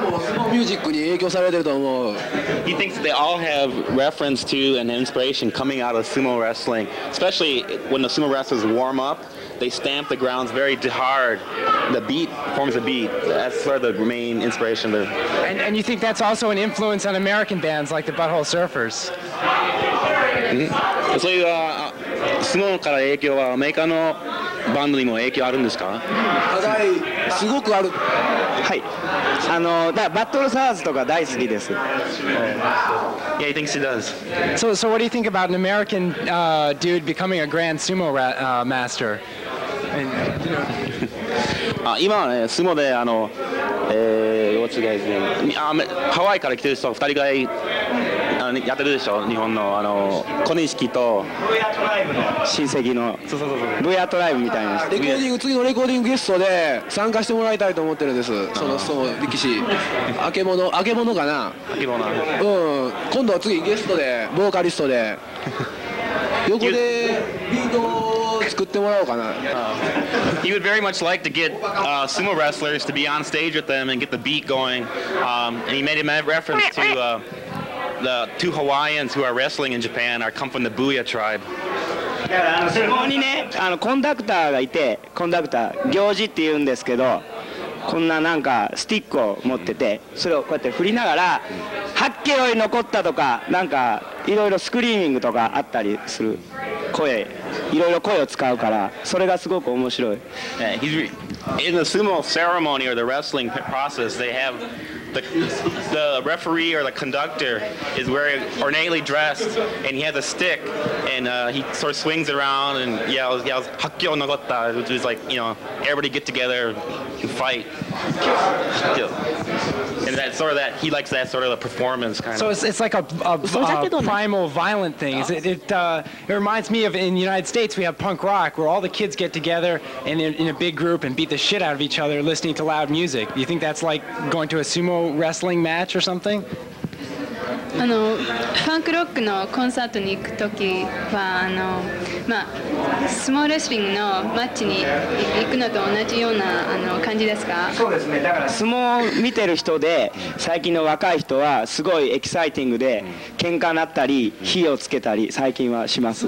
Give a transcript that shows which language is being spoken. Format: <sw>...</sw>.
<en>He thinks they all have reference to and inspiration coming out of sumo wrestling, especially when the sumo wrestlers warm up. They stamp the grounds very hard. The beat forms a beat. That's sort of the main inspiration there. And you think that's also an influence on American bands like the Butthole Surfers?</en> <ja>So, sumo から影響はアメリカのバンドにも影響あるんですか？はい、すごくある。はい。あの、だからバットルサーズとか大好きです。</ja> <en>Yeah, he thinks he does. So what do you think about an American dude becoming a grand sumo master? And, you know.</en> <ja>今はね、スモであの、</ja> <en>what's the guy's name?</en> <ja>ハワイから来てる人2人ぐらいあのやってるでしょ、日本のあの小錦と親戚のブーアトライブみたいな。レコーディング、次のレコーディングゲストで参加してもらいたいと思ってるんです、そのスモ力士。あけものかな。あけもの。うん、今度は次ゲストで、ボーカリストで。横でビートを作ってもらおうかな。</ja> <en>He would very much like to get sumo wrestlers to be on stage with them and get the beat going. And he made a reference to the two Hawaiians who are wrestling in Japan are come from the Buya tribe.</en> <ja>そこにね、あのコンダクターがいて、コンダクター行司って言うんですけど、こんななんかスティックを持ってて、それをこうやって振りながら、ハッケより残ったとかなんか。いろいろスクリーミングとかあったりする声、いろいろ声を使うから、それがすごく面白い。</ja> <en>Yeah, in the sumo ceremony or the wrestling process, they have the referee or the conductor is very ornately dressed, and he has a stick, and he sort of swings around and yells, "Hakkyo nagotta," which is like, you know, everybody get together and fight. And that sort of that he likes that sort of the performance kind of. So it's like a primal violent thing. It reminds me of in the United States we have punk rock where all the kids get together and in a big group and beat the shit out of each other listening to loud music. You think that's like going to a sumo wrestling match or something?</en> <ja>あのパンクロックのコンサートに行くときはあの、まあ、スモールレスリングのマッチに行くのと同じようなあの感じですか？そうですね、だから相撲を見てる人で最近の若い人はすごいエキサイティングで喧嘩になったり火をつけたり最近はします。</ja>